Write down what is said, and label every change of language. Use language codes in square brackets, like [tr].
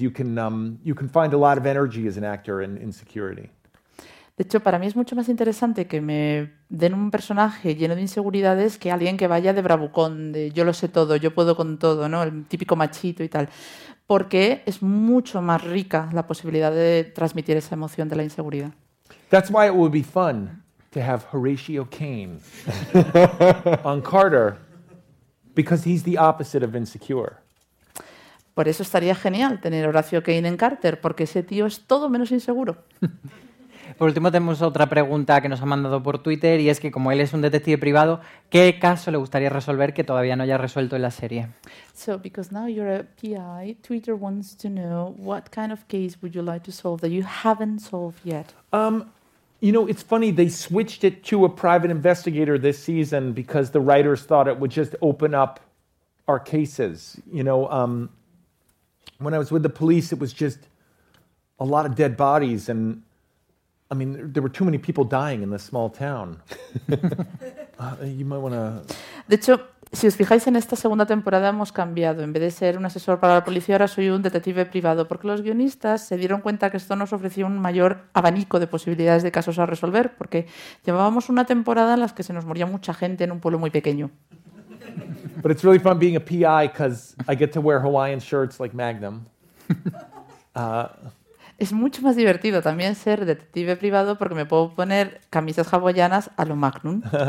[en] You can find a lot of energy as an actor in insecurity. [es] De hecho, para mí es mucho más interesante que me den un personaje lleno de inseguridades que alguien que vaya de bravucón, de yo lo sé todo, yo puedo con todo, ¿no? El típico machito y tal. Porque es mucho más rica la posibilidad de transmitir esa emoción de la inseguridad. [en] That's why it would be fun to have Horatio Caine on Carter, because he's the opposite of insecure. [es] Por eso estaría genial tener Horatio Caine en Carter, porque ese tío es todo menos inseguro. Por último, tenemos otra pregunta que nos ha mandado por Twitter, y es que como él es un detective privado, ¿qué caso le gustaría resolver que todavía no haya resuelto en la serie? [en] So, because now you're a PI, Twitter wants to know what kind of case would you like to solve that you haven't solved yet? You know, it's funny, they switched it to a private investigator this season because the writers thought it would just open up our cases. You know, when I was with the police, it was just a lot of dead bodies. And, I mean, there were too many people dying in this small town. you might want to... [es] De hecho, si os fijáis, en esta segunda temporada hemos cambiado. En vez de ser un asesor para la policía, ahora soy un detective privado, porque los guionistas se dieron cuenta que esto nos ofrecía un mayor abanico de posibilidades de casos a resolver, porque llevábamos una temporada en la que se nos moría mucha gente en un pueblo muy pequeño. [en] But it's really fun being a PI because I get to wear Hawaiian shirts like Magnum. [es] Es mucho más divertido también ser detective privado porque me puedo poner camisas hawaianas a lo Magnum.